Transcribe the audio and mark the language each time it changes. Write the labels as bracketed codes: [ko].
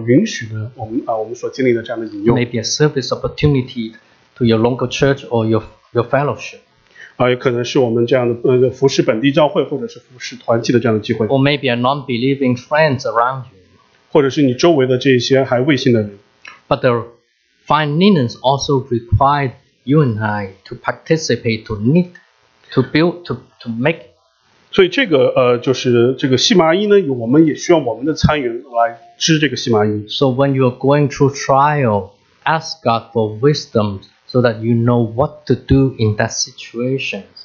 [zh] 可能是我们正在经历的这样的一些试验，或者是说，或者是神所允许的，我们所经历的这样的引诱。 [en] Maybe a service opportunity to your local church or your fellowship. [zh] 也可能是我们这样的服侍本地教会，或者是服侍团契的这样的机会。 [en] Or maybe a non-believing friends around you. [zh] 或者是你周围的这些还未信的人。 [en] But the fine linens also required you and I to participate, to knit, to build, to make. [zh] 所以这个就是这个细麻衣呢，我们也需要我们的参与来织这个细麻衣。 [en] So when you are going through trial, ask God for wisdom, so that you know what to do in that situation.